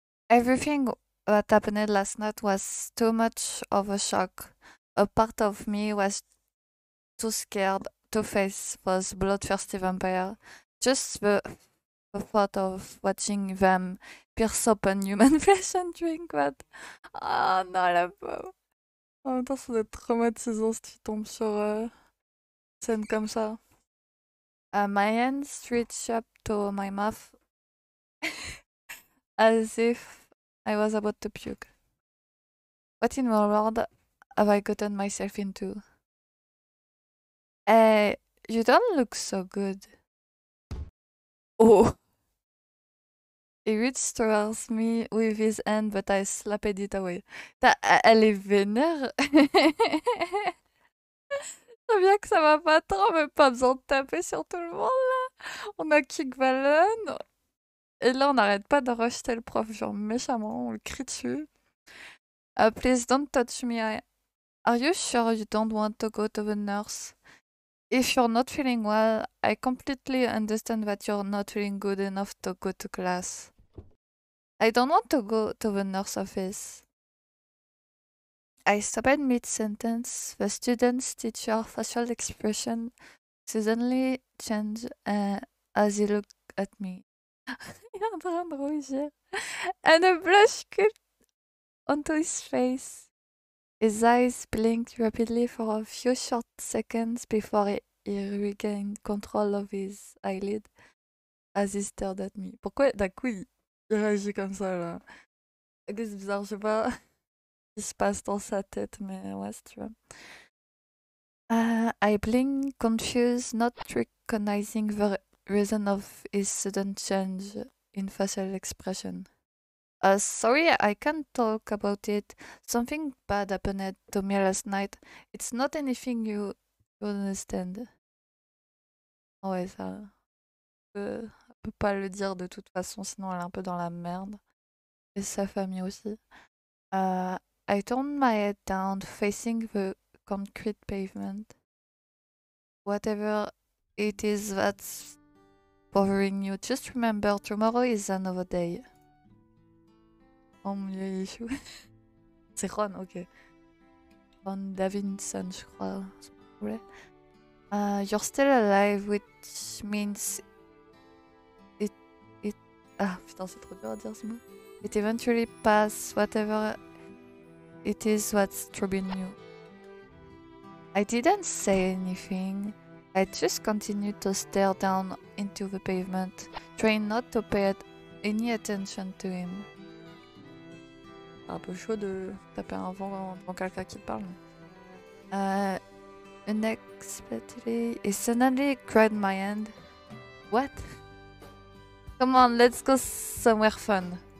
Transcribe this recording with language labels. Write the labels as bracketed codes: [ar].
[en] Everything that happened last night was too much of a shock. A part of me was too scared to face those bloodthirsty vampires. Just the thought of watching them pierce open human flesh and drink that. [fr] Oh non, la peau. En même temps, ça doit être traumatisant si tu tombes sur scène comme ça. [en] My hand stretched up to my mouth as if I was about to puke. What in the world have I gotten myself into? You don't look so good. Oh. He reached towards me with his hand, but I slapped it away. [fr] Elle est vénère. Je sais bien que ça va pas trop, mais pas besoin de taper sur tout le monde, là. On a kick Valen. Et là, on n'arrête pas de rejeter le prof, genre méchamment, on le crie dessus. [en] Please don't touch me. Are you sure you don't want to go to the nurse? If you're not feeling well, I completely understand that you're not feeling good enough to go to class. I don't want to go to the nurse office. I stopped mid-sentence. The student's teacher facial expression suddenly changed as he looked at me. [fr] Il est en train de rougir. [en] And a blush crept onto his face. His eyes blinked rapidly for a few short seconds before he regained control of his eyelid as he stared at me. [fr] Pourquoi d'un coup il réagit comme ça là? C'est bizarre, je sais pas ce qui se passe dans sa tête, mais ouais, c'est tu vois. [en] I blinked, confused, not recognizing the reason of his sudden change in facial expression. Sorry, I can't talk about it. Something bad happened to me last night. It's not anything you understand. [fr] Ouais, ça. Pas le dire de toute façon, sinon elle est un peu dans la merde. Et sa famille aussi. [en] I turned my head down, facing the concrete pavement. Whatever it is that's bothering you, just remember, tomorrow is another day. [fr] Oh mon dieu, il échoue. C'est Ron, ok. Ron Davidson, je crois. [en] You're still alive, which means. [fr] Ah putain, c'est trop dur à dire ce mot. [en] It eventually passes, whatever it is what's troubling you. I didn't say anything. I just continued to stare down into the pavement, trying not to pay any attention to him. [fr] Un peu chaud de taper un vent devant quelqu'un qui te parle. [en] Unexpectedly, he suddenly grabbed my hand. What? Come on, let's go somewhere fun.